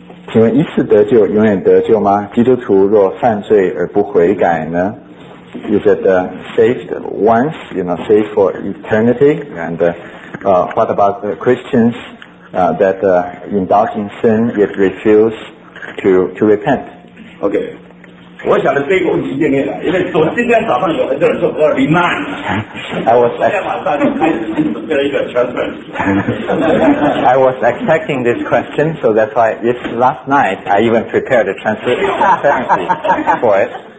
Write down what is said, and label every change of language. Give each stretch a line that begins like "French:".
Chinese: 请问一次得救永远得救吗？基督徒若犯罪而不悔改呢？
English: Is it saved once, you know, saved for eternity? And what about the Christians that indulge in sin yet refuse to repent? Okay.
Chinese: 我想的这个问题今天来，因为我今天早上有很多人说我要 remind。
English: I was
Chinese: 昨天晚上就开始准备了一个 transcript。
English: I was expecting this question, so that's why it's last night I even prepared a transcript for it.